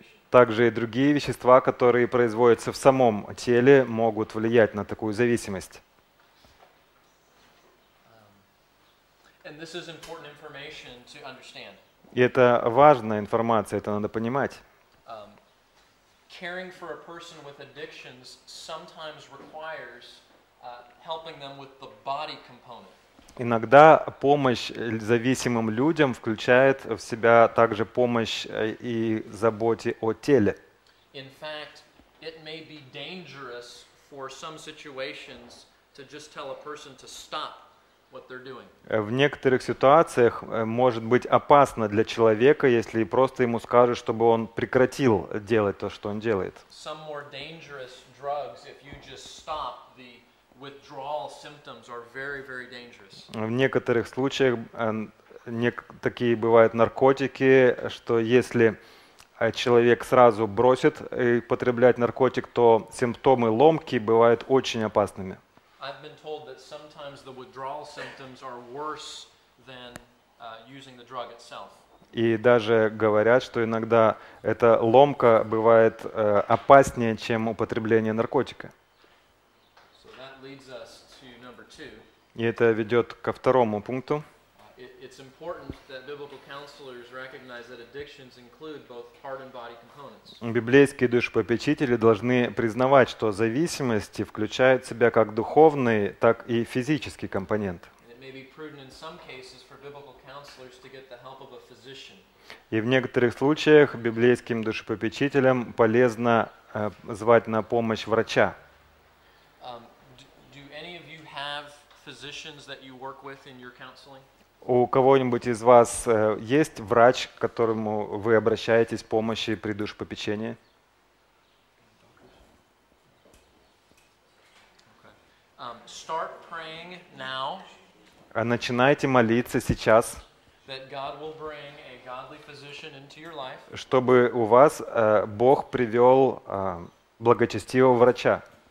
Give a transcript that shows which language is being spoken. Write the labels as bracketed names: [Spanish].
[Russian] Также и другие вещества, которые производятся в самом теле, могут влиять на такую зависимость. И это важная информация, это надо понимать. [English] Caring for a person with addictions sometimes requires helping them with the body component. [Russian] Иногда помощь зависимым людям включает в себя также помощь и заботе о теле. [English] In fact, it may be dangerous for some situations to just tell a person to stop what they're doing. [Russian] В некоторых ситуациях может быть опасно для человека, если просто ему скажут, чтобы он прекратил делать то, что он делает. [English] Some more dangerous drugs, if you just stop, the withdrawal symptoms are very, very dangerous. [Russian] В некоторых случаях такие бывают наркотики, что если человек сразу бросит употреблять наркотик, то симптомы ломки бывают очень опасными. [English] I've been told that sometimes the withdrawal symptoms are worse than using the drug itself. [Russian] И даже говорят, что иногда эта ломка бывает опаснее, чем употребление наркотика. [English] So that leads us to number two. [Russian] И это ведет ко второму пункту. [English] It's important that biblical counselors recognize that addictions include both heart and body components. [Russian] Библейские душепопечители должны признавать, что зависимости включают в себя как духовный, так и физический компонент. [English] It may be prudent in some cases for biblical counselors to get the help of a physician. [Russian] И в некоторых случаях библейским душепопечителям полезно звать на помощь врача. [English] Do any of you have physicians that you work with in your counseling? [Russian] У кого-нибудь из вас есть врач, к которому вы обращаетесь помощи при душепопечении? [English] Start praying now. [Russian] Начинайте молиться сейчас, [English] that God will bring a godly physician into your life. [Russian] Чтобы у вас Бог привел благочестивого врача.